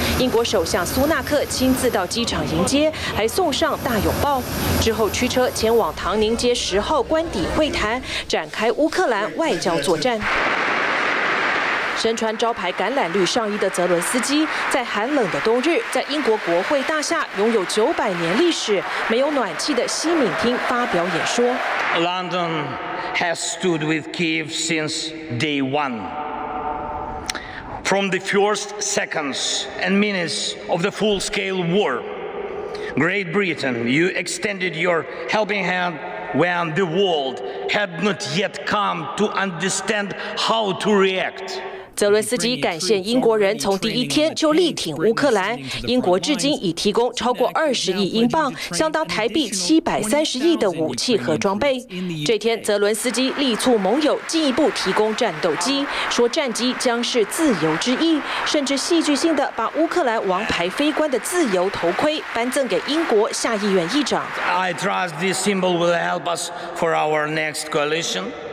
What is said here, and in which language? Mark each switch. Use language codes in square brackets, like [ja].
[zh] 英国首相苏纳克亲自到机场迎接，还送上大拥抱，之后驱车前往唐宁街10号官邸会谈，展开乌克兰外交作战。身穿招牌橄榄绿上衣的泽伦斯基，在寒冷的冬日，在英国国会大厦拥有900年历史、没有暖气的西敏厅发表演说。 [en] London has stood with Kyiv since day one. From the first seconds and minutes of the full-scale war, Great Britain, you extended your helping hand. When the world had not yet come to understand how to react. [zh] 泽伦斯基感谢英国人从第一天就力挺乌克兰，英国至今已提供超过20亿英镑，相当台币730亿的武器和装备。这天，泽伦斯基力促盟友进一步提供战斗机，说战机将是自由之翼，甚至戏剧性的把乌克兰王牌飞官的自由头盔颁赠给英国下议院议长。 [en] I trust this symbol will help us for our next coalition.